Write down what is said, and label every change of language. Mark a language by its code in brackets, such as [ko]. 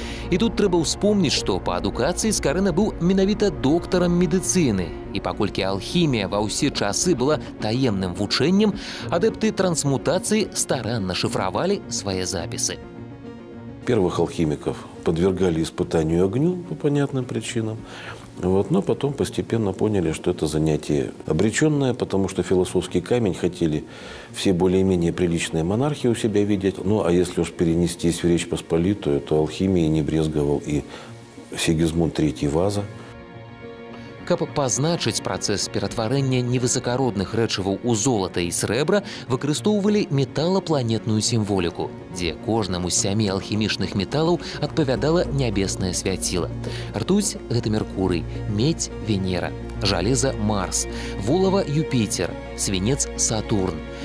[be] І тут трэба ўспомніць, што па адукацыі Скарына быў менавіта доктарам медыцыны. І паколькі алхімія ва ўсе часы была таемным вучэннем, адэпты трансмутацыі старанна шыфравалі свае запісы. [ru] Первых алхімікаў падвергалі испытанню агню па понятным прычынам. Вот, но потом постепенно поняли, что это занятие обреченное, потому что философский камень хотели все более-менее приличные монархи у себя видеть. Ну а если уж перенестись в Речь Посполитую, то алхимией не брезговал и Сигизмунд III Ваза. [be] Каб пазначыць працэс ператварэння невысакародных рэчываў у золата і срэбра, выкарыстоўвалі металапланетную сімволіку, дзе кожнаму з сямі алхімічных металаў адпавядала нябеснае свяціла. Ртуць – гэта Меркурый, медь – Венера, жалеза – Марс, волава – Юпітер, свінец – Сатурн.